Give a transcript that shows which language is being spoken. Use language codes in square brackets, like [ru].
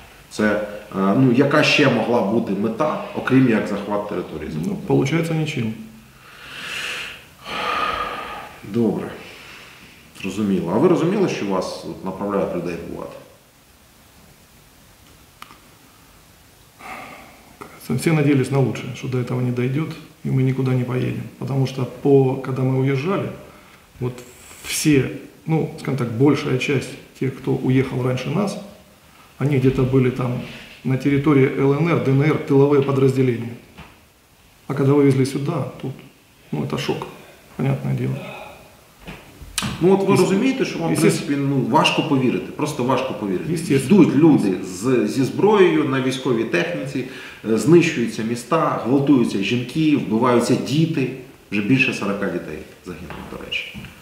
[uk] Це, ну, яка ще могла бути мета, окрім як захват території? Ну, виходить, нічим. Добре. Зрозуміло. А ви розуміли, що вас направляють людей вбивати? [ru] Все надеялись на лучшее, что до этого не дойдет, и мы никуда не поедем. Потому что когда мы уезжали, вот все, ну, скажем так, большая часть тех, кто уехал раньше нас, они где-то были там на территории ЛНР, ДНР, тыловые подразделения. А когда вывезли сюда, тут, ну, это шок, понятное дело. [uk] Ну, от ви розумієте, що вам, в принципі, ну, важко повірити, просто важко повірити. Йдуть люди зі зброєю на військовій техніці, знищуються міста, гвалтуються жінки, вбиваються діти. Вже більше 40 дітей загинуло, до речі.